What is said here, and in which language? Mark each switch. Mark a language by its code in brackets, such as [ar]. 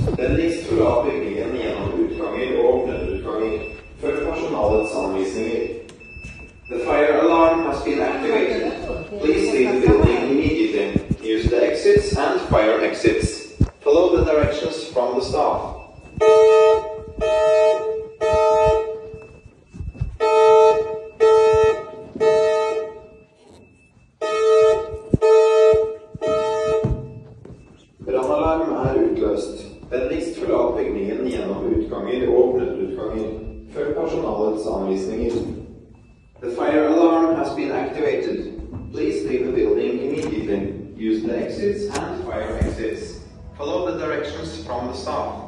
[no] Den ligger fra bygningen gjennom utganger og nødutganger. Følg personalets anvisninger. [en] The fire alarm has been activated. Please leave the building immediately. Use the exits and fire exits. Follow the directions from the staff. [no] Brannalarm utløst. Den ligger fra bygningen gjennom utganger og nødutganger. Følg personalets anvisninger. [en] The fire alarm has been activated. Please leave the building immediately. Use the exits and fire exits. Follow the directions from the staff.